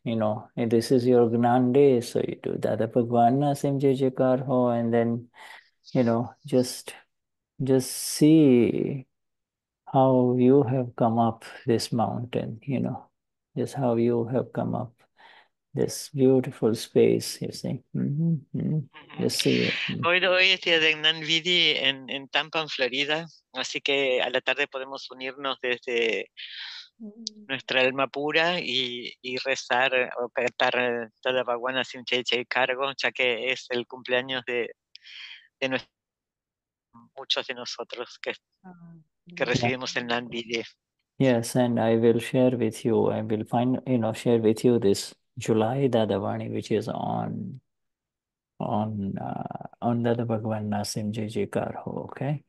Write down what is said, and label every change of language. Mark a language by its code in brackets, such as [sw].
[en] You know, and this is your Gnan day, so you do Dada Bhagwana Simje Jekar Ho, and then, you know, just see how you have come up this mountain, you know, just how you have come up this beautiful space, you see. You see it. [es] Hoy es día de Gnanvidhi en Tampa, en Florida. Así que a la tarde podemos unirnos desde nuestra alma pura y rezar o cantar Dada Bhagwana Simje Jekar Ho, ya que es el cumpleaños de muchos de nosotros que recibimos el Gnanvidhi. [en] Yes, and I will share with you. I will find, you know, share with you this July Dadavani, which is on Dada Bhagwan Nasim Ji Ji Karho, okay?